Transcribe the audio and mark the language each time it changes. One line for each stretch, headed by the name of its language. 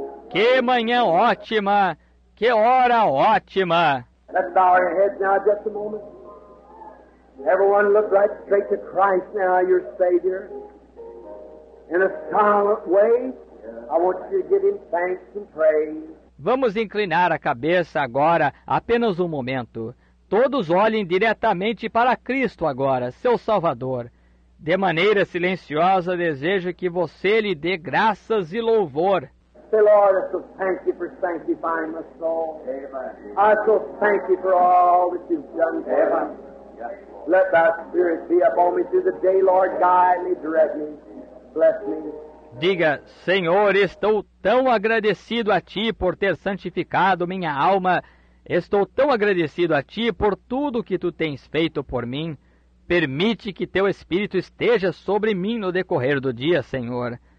Portuguese: Que manhã ótima! Que hora ótima!
English: Let's bow our heads now just a moment. Everyone look right straight to Christ now, your Savior. In a silent way, I want you to give him thanks and praise.
Portuguese: Vamos inclinar a cabeça agora, apenas um momento. Todos olhem diretamente para Cristo agora, seu Salvador. De maneira silenciosa, desejo que você lhe dê graças e louvor.
English: Say, Lord, I so thank you for sanctifying my soul. Amen. I so thank you for all that you've done for me. Yes, let thy spirit be upon me through the day, Lord. Guide me, direct me, bless me.
Portuguese: Diga, Senhor, estou tão agradecido a Ti por ter santificado minha alma. Estou tão agradecido a Ti por tudo que Tu tens feito por mim. Permite que Teu Espírito esteja sobre mim no decorrer do dia, Senhor.